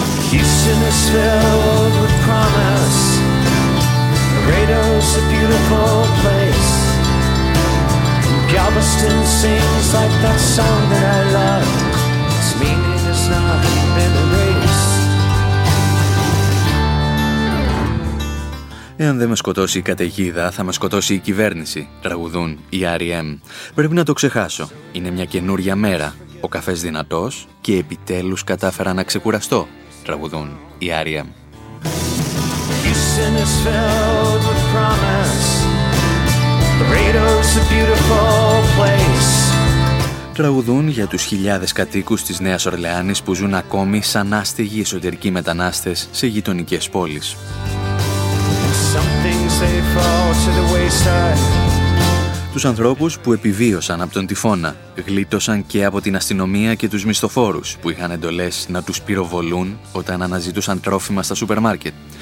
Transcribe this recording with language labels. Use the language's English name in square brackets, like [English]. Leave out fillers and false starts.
[English] Houston is filled with promise. Laredo's a beautiful place. And Galveston sings like that song that I love. Its meaning has not been erased. [Greek] Εάν δεν με σκοτώσει η καταιγίδα, θα με σκοτώσει η κυβέρνηση, τραγουδούν οι R.E.M. Πρέπει να το ξεχάσω. Είναι μια καινούρια μέρα. Ο καφές δυνατός και επιτέλους κατάφερα να ξεκουραστώ, τραγουδούν οι R.E.M. [English] Houston is filled with promise. Laredo's a beautiful place. [Greek] Τραγουδούν για τους χιλιάδες κατοίκους της Νέας Ορλεάνης που ζουν ακόμη σαν άστεγοι εσωτερικοί μετανάστες σε γειτονικές πόλεις. Τους ανθρώπους που επιβίωσαν από τον τυφώνα, γλίτωσαν και από την αστυνομία και τους μισθοφόρους που είχαν εντολές να τους πυροβολούν όταν αναζητούσαν τρόφιμα στα σούπερ μάρκετ.